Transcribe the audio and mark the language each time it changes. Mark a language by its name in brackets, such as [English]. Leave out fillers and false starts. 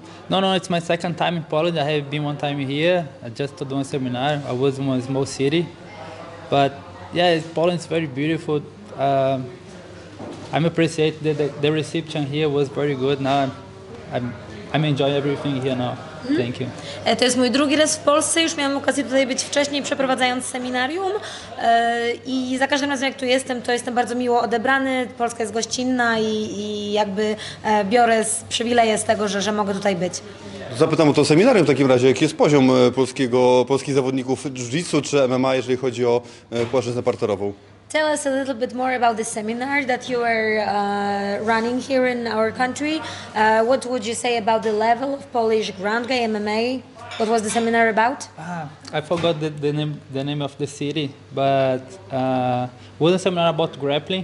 [English] No, it's my second time in Poland. I have been one time here. I just to do a seminar. I was in a small city. But yeah, Poland is very beautiful. I'm appreciate the reception here was very good. Now I'm enjoying everything here now. Mm-hmm. Thank you. [Polish] To jest mój drugi raz w Polsce. Już miałam okazję tutaj być wcześniej, przeprowadzając seminarium. I za każdym razem, jak tu jestem, to jestem bardzo miło odebrany. Polska jest gościnna i jakby biorę przywileje z tego, że mogę tutaj być. Zapytam o to seminarium w takim razie. Jaki jest poziom polskich zawodników jiu-jitsu czy MMA, jeżeli chodzi o płaszczyznę parterową? [English] Tell us a little bit more about the seminar that you are running here in our country. What would you say about the level of Polish ground game MMA? What was the seminar about? I forgot the name of the city, but was a seminar about grappling.